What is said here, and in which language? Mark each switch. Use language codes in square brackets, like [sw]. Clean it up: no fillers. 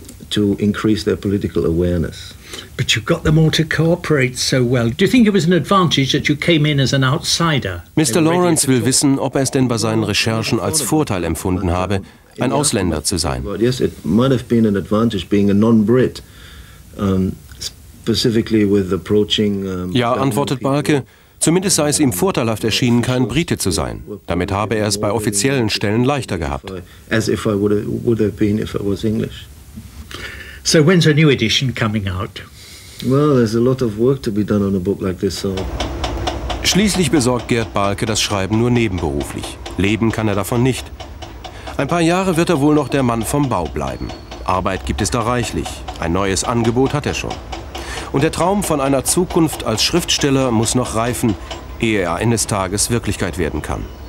[en] To increase their political awareness. But you got them all to cooperate so well. Do you think it was an advantage that you came in as an outsider? Mr. [de] Lawrence will wissen, ob es denn bei seinen Recherchen als Vorteil empfunden habe, ein Ausländer zu sein. [en] Yes, it might have been an advantage being a non-Brit, specifically with approaching. [de] Ja, antwortet Balke. Zumindest sei es ihm vorteilhaft erschienen, kein Brite zu sein. Damit habe er es bei offiziellen Stellen leichter gehabt. [en] As if I would have been if I was English. So when's a new edition coming out? Well, there's a lot of work to be done on a book like this, so. [de] Schließlich besorgt Gerd Balke das Schreiben nur nebenberuflich. Leben kann er davon nicht. Ein paar Jahre wird er wohl noch der Mann vom Bau bleiben. Arbeit gibt es da reichlich. Ein neues Angebot hat er schon. Und der Traum von einer Zukunft als Schriftsteller muss noch reifen, ehe er eines Tages Wirklichkeit werden kann.